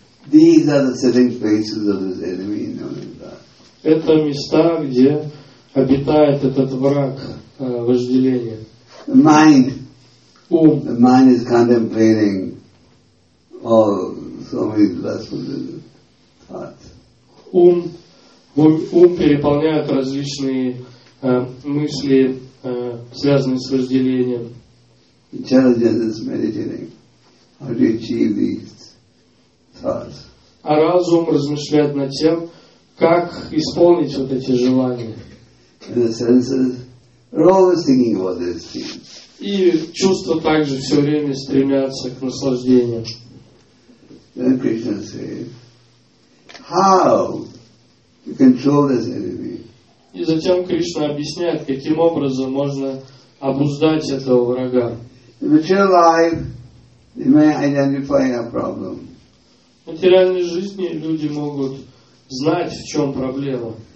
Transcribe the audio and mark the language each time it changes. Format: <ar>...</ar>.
<en>These are the sitting places of this enemy, known as that.</en> <ru>Это места, где обитает этот враг вожделения.</ru> <en>Mind.</en> <ru>Ум.</ru> <en>The mind is contemplating all so many lustful thoughts.</en> <ru>Ум переполняет различные мысли, связанные с вожделением.</ru> <en>Intelligence is meditating. How to achieve these thoughts.</en> <ru>А разум размышляет над тем, как исполнить вот эти желания.</ru> <en>In the senses, we're always thinking about these things.</en> <ru>И чувства также все время стремятся к наслаждению.</ru> <en>Then Krishna says, how to control this enemy.</en> <ru>И затем Кришна объясняет, каким образом можно обуздать этого врага.</ru> <en>In material life, they may identify a problem.</en> <ru>В материальной жизни люди могут знать, в чем проблема.</ru>